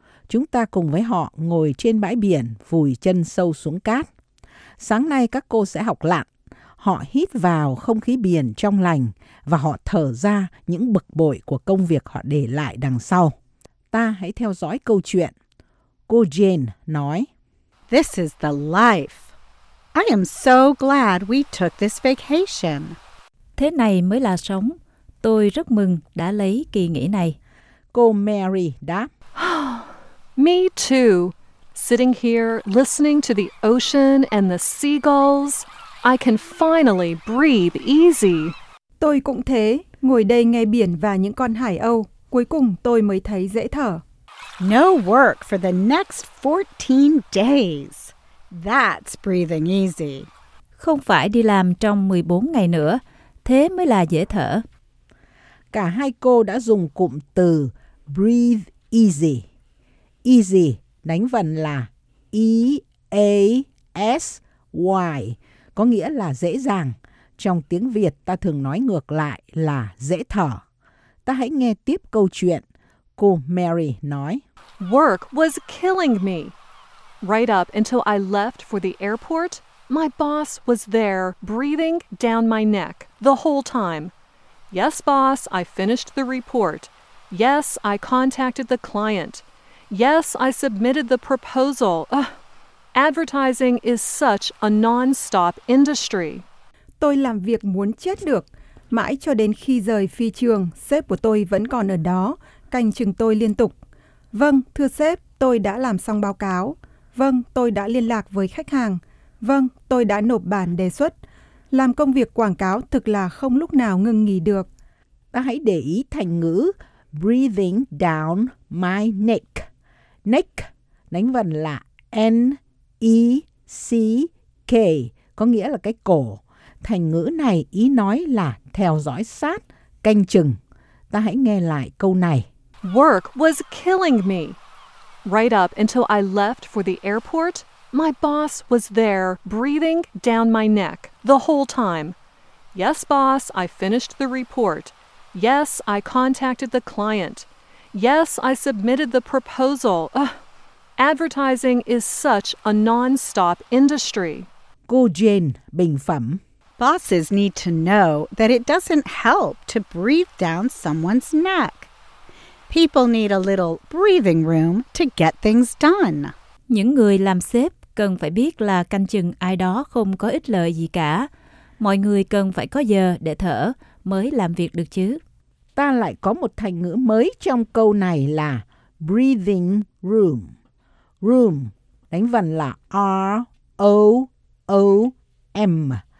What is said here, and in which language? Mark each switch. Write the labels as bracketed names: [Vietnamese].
[Vietnamese] Chúng ta cùng với họ ngồi trên bãi biển, vùi chân sâu xuống cát. Sáng nay các cô sẽ học lặn. Họ hít vào không khí biển trong lành và họ thở ra những bực bội của công việc họ để lại đằng sau. Ta hãy theo dõi câu chuyện. Cô Jane nói, [English] "This is the life. I am so glad we took this vacation." [Vietnamese] Thế này mới là sống. Tôi rất mừng đã lấy kỳ nghỉ này. Cô Mary đáp, [English] "Me too. Sitting here listening to the ocean and the seagulls, I can finally breathe easy." [Vietnamese] Tôi cũng thế, ngồi đây nghe biển và những con hải âu, cuối cùng tôi mới thấy dễ thở. [English] "No work for the next 14 days. That's breathing easy." [Vietnamese] Không phải đi làm trong 14 ngày nữa, thế mới là dễ thở. Cả hai cô đã dùng cụm từ breathe easy. Easy đánh vần là E-A-S-Y. Có nghĩa là dễ dàng. Trong tiếng Việt ta thường nói ngược lại là dễ thở. Ta hãy nghe tiếp câu chuyện. Cô Mary nói, [English] "Work was killing me. Right up until I left for the airport, my boss was there breathing down my neck the whole time. Yes, boss, I finished the report. Yes, I contacted the client. Yes, I submitted the proposal. Advertising is such a non-stop industry." [Vietnamese] Tôi làm việc muốn chết được. Mãi cho đến khi rời phi trường, sếp của tôi vẫn còn ở đó, canh chừng tôi liên tục. "Vâng, thưa sếp, tôi đã làm xong báo cáo. Vâng, tôi đã liên lạc với khách hàng. Vâng, tôi đã nộp bản đề xuất." Làm công việc quảng cáo thực là không lúc nào ngừng nghỉ được. Ta hãy để ý thành ngữ breathing down my neck. Neck, đánh vần là N-E-C-K, có nghĩa là cái cổ. Thành ngữ này ý nói là theo dõi sát, canh chừng. Ta hãy nghe lại câu này. [English] Work was killing me. Right up until I left for the airport, my boss was there breathing down my neck the whole time. Yes, boss, I finished the report. Yes, I contacted the client. Yes, I submitted the proposal. Ugh. Advertising is such a non-stop industry. [Vietnamese] Cô Jane bình phẩm. [English] Bosses need to know that it doesn't help to breathe down someone's neck. People need a little breathing room to get things done. [Vietnamese] Những người làm sếp cần phải biết là canh chừng ai đó không có ích lợi gì cả. Mọi người cần phải có giờ để thở mới làm việc được chứ. Ta lại có một thành ngữ mới trong câu này là breathing room. Room, đánh vần là R-O-O-M.